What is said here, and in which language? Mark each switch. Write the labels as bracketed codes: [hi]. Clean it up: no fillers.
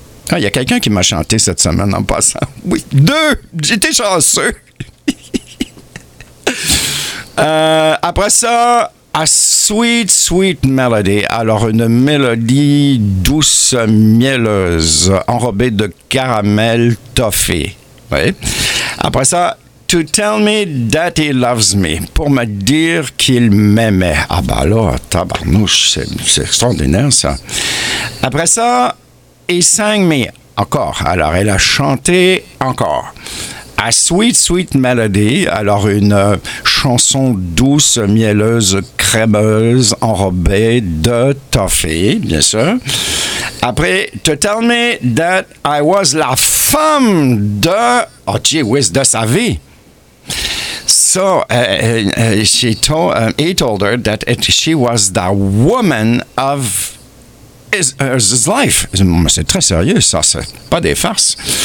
[fr] Ah, il y a quelqu'un qui m'a chanté cette semaine en passant. Oui, deux. J'étais chanceux. après ça, [en] a sweet, sweet melody. [fr] Alors, une mélodie douce, mielleuse, enrobée de caramel toffee. Oui. Après ça, [en] to tell me that he loves me. [fr] Pour me dire qu'il m'aimait. Ah, bah alors, tabarnouche, c'est extraordinaire ça. Après ça, et 5 mai. Encore. Alors, elle a chanté encore. [en] A Sweet Sweet Melody, [fr] alors une chanson douce, mielleuse, crémeuse, enrobée de toffee, bien sûr. [en] Après, To Tell Me That I Was [fr] La Femme de, [en] oh gee whiz, [fr] de sa vie. [en] So, he told her that she was the woman of his life. [fr] C'est très sérieux, ça, c'est pas des farces.